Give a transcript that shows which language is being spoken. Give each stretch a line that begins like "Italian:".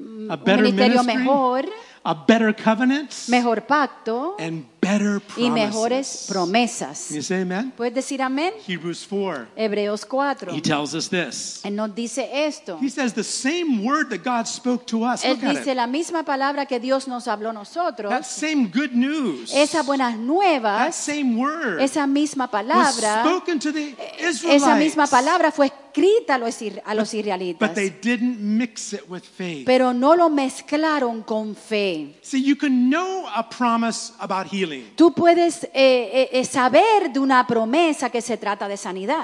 English: A better
Spanish: un ministerio
English: ministry, mejor. A better covenant?
Spanish: Mejor pacto.
English: And better promises.
Spanish: Y mejores promesas.
English: Can you say amen?
Spanish: ¿Puedes decir amén?
English: Hebrews 4.
Spanish: Hebreos 4.
English: He tells us this.
Spanish: Él nos dice esto.
English: He says the same word that God spoke to us.
Spanish: Él
English: look
Spanish: dice
English: at it.
Spanish: La misma palabra que Dios nos habló nosotros.
English: That same good news.
Spanish: Esa buenas nuevas.
English: That same word.
Spanish: Esa misma palabra.
English: Was spoken to the Israelites.
Spanish: Esa misma palabra fue escrita a los israelitas.
English: But they didn't mix it with faith.
Spanish: Pero no lo mezclaron con fe.
English: See, you can know a promise about healing.
Spanish: Tú puedes saber de una promesa que se trata de sanidad.